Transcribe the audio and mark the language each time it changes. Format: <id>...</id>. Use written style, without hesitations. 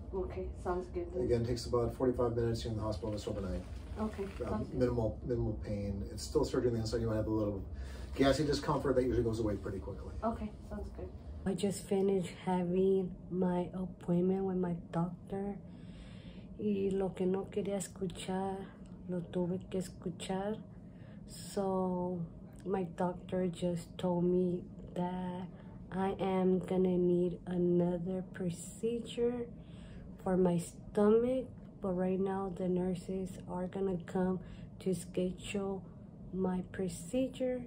<en>Okay, sounds good. Again, it takes about 45 minutes here in the hospital just overnight. Okay, Minimal pain. It's still surgery on the inside. You might have a little gassy discomfort that usually goes away pretty quickly. Okay, sounds good. I just finished having my appointment with my doctor.</en> <es>Y lo que no quería escuchar, lo tuve que escuchar.</es> <en>So my doctor just told me that I am gonna need another procedure for my stomach, but right now the nurses are gonna come to schedule my procedure.</en>